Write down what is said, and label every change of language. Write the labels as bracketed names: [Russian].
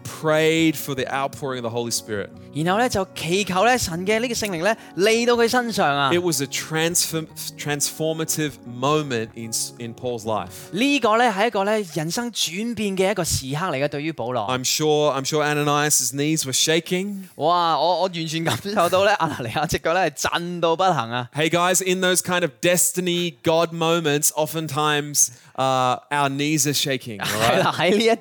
[English] prayed for the outpouring of the Holy Spirit. [Chinese] 然後就祈求神的這個聖靈來到他身上。 [English] It was a transformative moment in Paul's life. [Chinese] 這是一個人生轉變的一個時刻來的，對於保羅。 [English] I'm sure Ananias' knees were shaking. [Chinese] 哇，我完全感受到阿拿尼亞的腳是震到不行。 [English] Hey guys, in those kind of destiny God moments, oftentimes our knees are shaking, right?